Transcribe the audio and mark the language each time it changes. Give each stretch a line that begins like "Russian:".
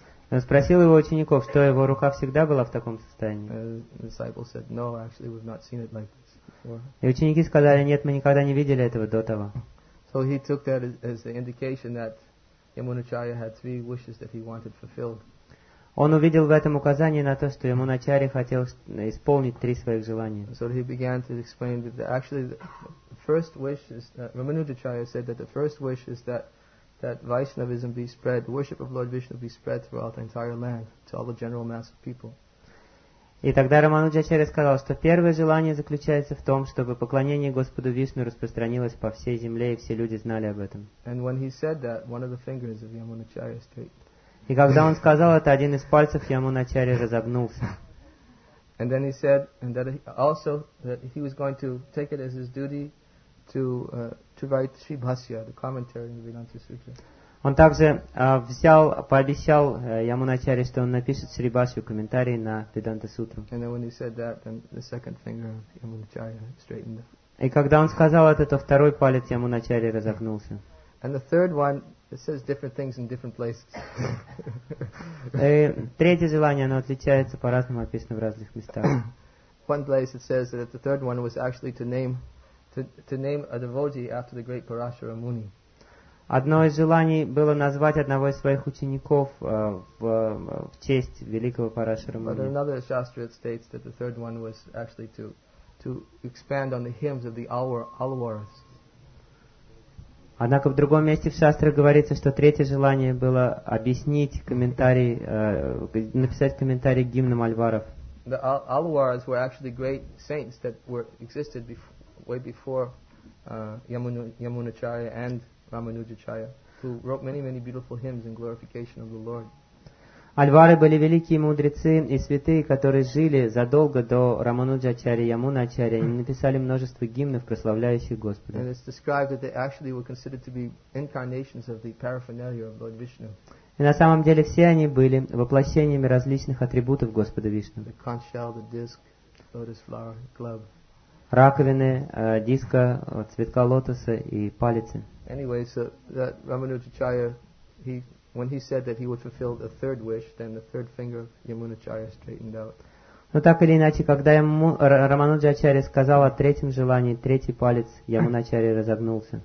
Russian: Он спросил его учеников, что его рука всегда была в таком состоянии.
English: The disciples said, "No, actually, we've not seen it like this before."
Russian: И ученики сказали, нет, мы никогда не видели этого до того.
English: So he took that as the indication that Yamunacharya had three wishes that he wanted fulfilled.
Russian: Он увидел в этом указание на то, что Ямуначарья хотел исполнить три своих желания.
English: So he began to explain that actually the first wish is that Рамануджачарья said that the first wish is that Vaishnavism be spread, the worship of Lord Vishnu be spread throughout the entire land to all the general mass of people.
Russian: И тогда Рамануджачарья сказал, что первое желание заключается в том, чтобы поклонение Господу Вишну распространилось по всей земле и все люди знали об этом.
English: And when he said that, one of the fingers of Yamunacharya straight.
Russian: И когда он сказал это, один из пальцев Ямуначарья разогнулся.
English: And then he said, and that also that he was going to take it as his duty to write Sri Bhasya, the commentary on the Vedanta Sutra.
Russian: Он также пообещал Ямуначарье, что он напишет Шри Бхасью, комментарий на Веданта Сутру.
English: And then when he said that, then the second finger of Ямуначарья straightened up.
Russian: И когда он сказал это, то второй палец Ямуначарья разогнулся.
English: And the third one. It says different things in different places.
Russian: Третье желание, оно отличается по-разному, описано в разных местах.
English: One place it says that the third one was actually to name a devotee after the great Parashara Muni.
Russian: Одно из желаний было назвать одного из своих учеников в честь великого Парашарамуни.
English: But another shastra states that the third one was actually to expand on the hymns of the Alwars.
Russian: Однако в другом месте в шастрах говорится, что третье желание было объяснить комментарий, написать комментарий к гимнам Альваров.
English: The Alwars were actually great saints that were existed way before Yamunacharya and Ramanujacharya, who wrote many, many beautiful hymns in glorification of the Lord.
Russian: Альвары были великие мудрецы и святые, которые жили задолго до Рамануджачарьи, Ямуначарьи, и написали множество гимнов, прославляющих Господа.
English: And it's described that they actually were considered to be incarnations of the paraphernalia of Lord Vishnu.
Russian: И на самом деле все они были воплощениями различных атрибутов Господа Вишну.
English: The conch shell, the disc, lotus flower, club.
Russian: Раковины, диска, цветка лотоса и палицы.
English: Anyway, so that Ramanujacharya, when he said that he would fulfill the third wish, then the third finger of Yamunacharya straightened out.
Russian: Но так или иначе, когда Рамануджачарья сказал о третьем желании, третий палец Ямуначарьи разогнулся.